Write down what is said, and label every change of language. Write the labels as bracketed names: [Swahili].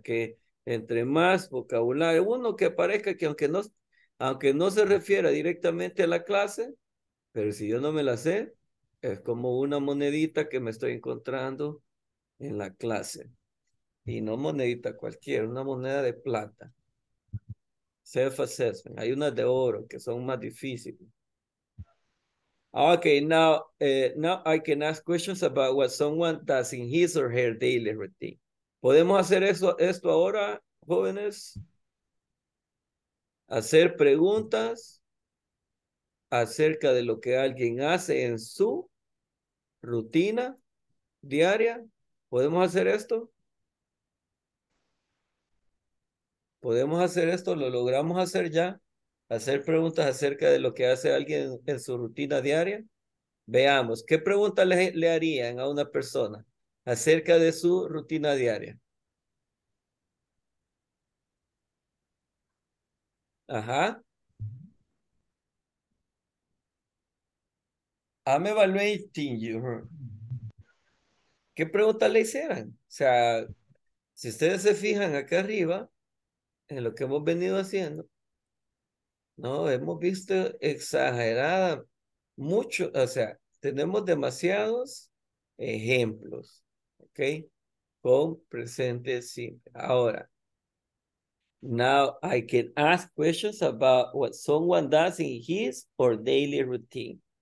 [Spanish] Que entre más vocabulario, uno que aparezca, que aunque no se refiera directamente a la clase, pero si yo no me la sé, es como una monedita que me estoy encontrando en la clase. Y no monedita cualquiera, una moneda de plata. Self-assessment. Hay unas de oro que son más difíciles. [English] Okay, now I can ask questions about what someone does in his or her daily routine. [Spanish] ¿Podemos hacer esto ahora, jóvenes? Hacer preguntas acerca de lo que alguien hace en su rutina diaria. ¿Podemos hacer esto? ¿Podemos hacer esto? ¿Lo logramos hacer ya? ¿Hacer preguntas acerca de lo que hace alguien en su rutina diaria? Veamos, ¿qué pregunta le harían a una persona acerca de su rutina diaria? Ajá. [English] I'm evaluating you. [Spanish] ¿Qué pregunta le hicieran? O sea, si ustedes se fijan acá arriba, en lo que hemos venido haciendo, no, hemos visto exagerada mucho, o sea, tenemos demasiados ejemplos, ¿ok? Con presente simple. Ahora, [English] now I can ask questions about what someone does in his or daily routine.